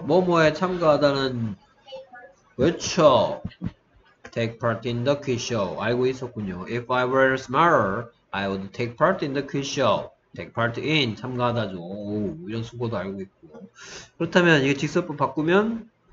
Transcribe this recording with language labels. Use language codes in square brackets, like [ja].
[ko] 뭐뭐에 참가하다는 그렇죠. [en] Take part in the quiz show. [ko] 알고 있었군요. [en] If I were smarter, I would take part in the quiz show. Take part in, [ko] 참가하다죠. 오, 이런 수고도 알고 있고. 그렇다면 이게 직설법 바꾸면